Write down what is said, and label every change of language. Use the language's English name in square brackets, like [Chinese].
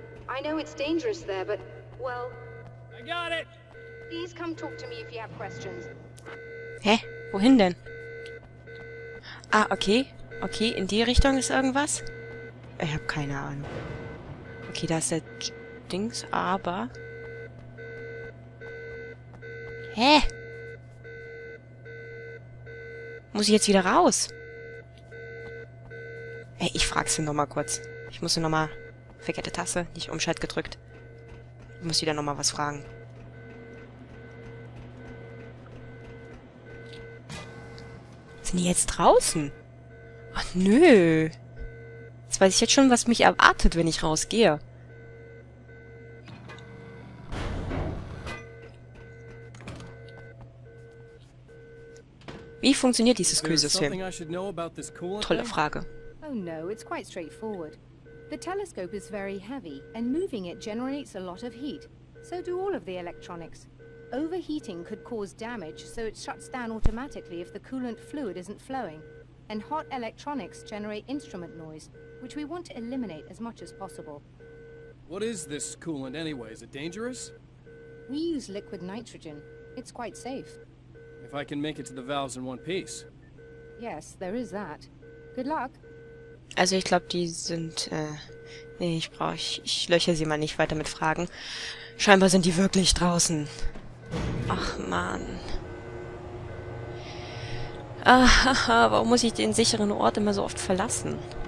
[English] I know it's dangerous there, but, well... I got it! Please come talk to me if you have questions. [German] Hä? Wohin denn? Ah, okay. Okay, in die Richtung ist irgendwas? Ich hab keine Ahnung. Okay, da ist der Dings, aber... Hä? Muss ich jetzt wieder raus? Hey, ich frag's noch mal kurz. Ich muss noch mal... Verkehrte Tasse, nicht Umschalt gedrückt. Ich muss wieder nochmal was fragen. Sind die jetzt draußen? Ach nö. Jetzt weiß ich jetzt schon, was mich erwartet, wenn ich rausgehe. Wie funktioniert dieses Kühlsystem? Tolle Frage. [English] Oh no, it's quite straightforward. The telescope is very heavy, and moving it generates a lot of heat. So do all of the electronics. Overheating could cause damage, so it shuts down automatically if the coolant fluid isn't flowing. And hot electronics generate instrument noise, which we want to eliminate as much as possible. What is this coolant anyway? Is it dangerous? We use liquid nitrogen. It's quite safe. If I can make it to the valves in one piece. Yes, there is that. Good luck. [German] Also ich glaube, die sind, nee, ich löcher sie mal nicht weiter mit Fragen. Scheinbar sind die wirklich draußen. Ach, Mann. Warum muss ich den sicheren Ort immer so oft verlassen?